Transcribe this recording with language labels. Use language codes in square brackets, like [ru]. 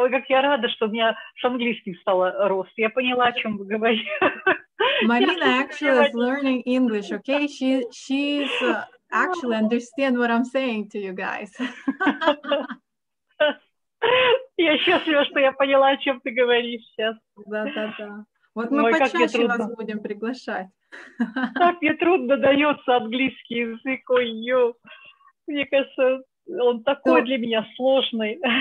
[ru] Ой, как я рада, что у меня с английским стало рост. Я поняла, о чем вы говорите. [en] Marina actually is learning English, okay? She's actually understand what I'm saying to you guys. [ru] Я счастлива, что я поняла, о чем ты говоришь сейчас. Да-да-да. Вот мы почаще вас будем приглашать. Так мне трудно дается английский язык, ой-ё. Мне кажется, он такой для меня сложный.